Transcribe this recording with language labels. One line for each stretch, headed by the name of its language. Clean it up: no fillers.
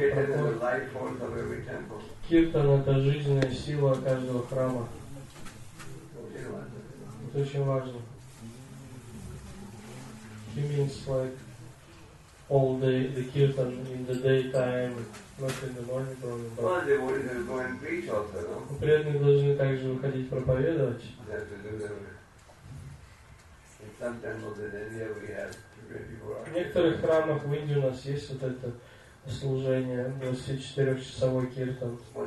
English: Kirtan is the life force of every temple.
Russian: Киртан – это жизненная сила каждого храма. Это очень важно.
English: He means like all day, the kirtan in the daytime, not in the morning probably. Well, they would have to go and preach also, no?
Russian: Преданные должны также выходить проповедовать.
English: They have to do that. In some temples in India we have ready for.
Russian: В некоторых храмах в Индии у нас есть вот это служение, 24-часовой киртан.